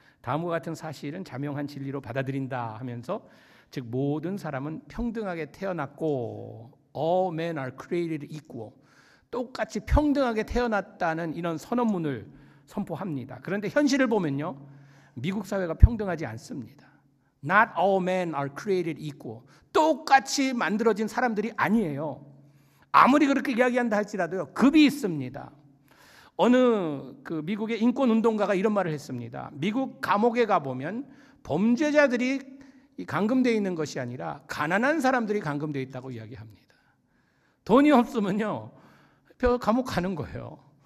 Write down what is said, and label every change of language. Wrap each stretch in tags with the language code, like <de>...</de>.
<ko>다음과 같은 사실은 자명한 진리로 받아들인다 하면서 즉 모든 사람은 평등하게 태어났고</ko> <en>All men are created equal</en> <ko>똑같이 평등하게 태어났다는 이런 선언문을 선포합니다. 그런데 현실을 보면요 미국 사회가 평등하지 않습니다.</ko> <en>Not all men are created equal</en> <ko>똑같이 만들어진 사람들이 아니에요. 아무리 그렇게 이야기한다 할지라도요 급이 있습니다. 어느 그 미국의 인권운동가가 이런 말을 했습니다. 미국 감옥에 가보면 범죄자들이 감금되어 있는 것이 아니라 가난한 사람들이 감금되어 있다고 이야기합니다. 돈이 없으면요 감옥 가는 거예요.</ko>